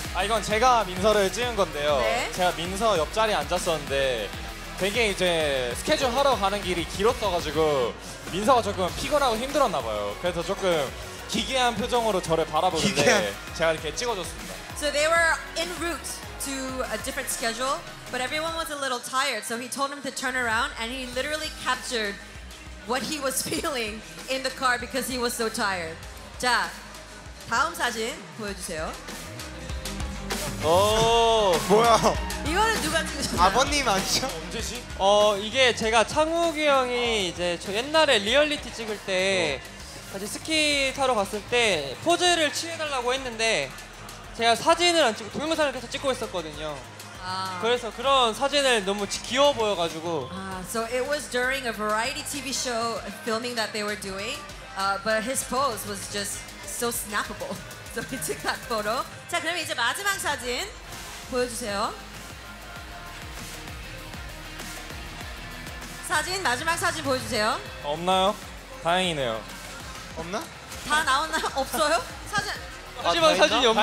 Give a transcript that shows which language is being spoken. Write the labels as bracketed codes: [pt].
[ko] 아 이건 제가 민서를 찍은 건데요. 네. 제가 민서 옆자리에 앉았었는데 되게 이제 스케줄 하러 가는 길이 길었어가지고 민서가 조금 피곤하고 힘들었나 봐요. 그래서 조금 기괴한 표정으로 저를 바라보는데 제가 이렇게 찍어줬습니다. [en] So they were en route to a different schedule, but everyone was a little tired, so he told him to turn around, and he literally captured what he was feeling in the car because he was so tired. [ko] 자, 다음 사진 보여주세요. 오, 뭐야? 이거는 누가 찍으셨나요? 아버님 아니죠? 언제지? 이게 제가 창욱이 형이 이제 저 옛날에 리얼리티 찍을 때 같이 스키 타러 갔을 때 포즈를 취해달라고 했는데 제가 사진을 안 찍고 동영상을 계속 찍고 있었거든요. 아. 그래서 그런 사진을 너무 귀여워 보여가지고. [en] 아, so it was during a variety TV show filming that they were doing, but his pose was just so snappable. So he took that photo. [ko] 자, 그럼 이제 마지막 사진 보여주세요. 사진 마지막 사진 보여주세요. 없나요? 다행이네요. 없나? 다 나왔나요? 없어요? 사진. 마지막 사진이 없나?